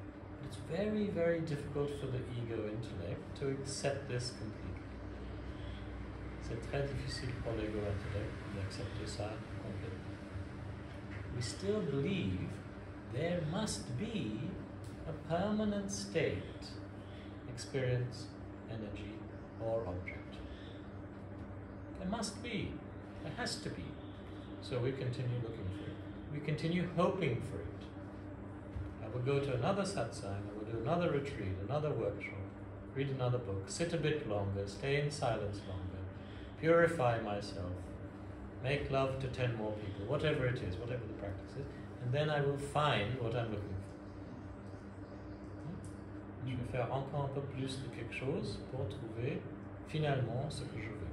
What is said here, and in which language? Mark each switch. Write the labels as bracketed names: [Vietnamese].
[English] But it's very, very difficult for the ego intellect to accept this completely. [French] C'est très difficile pour l'ego intellect d'accepter ça complètement. [English] We still believe there must be a permanent state, experience, energy, or object. There must be. There has to be. So we continue looking for it. We continue hoping for it. I will go to another satsang, I will do another retreat, another workshop, read another book, sit a bit longer, stay in silence longer, purify myself, make love to 10 more people, whatever it is, whatever the practice is, and then I will find what I'm looking for. [French] Je vais faire encore un peu plus de quelque chose pour trouver finalement ce que je veux.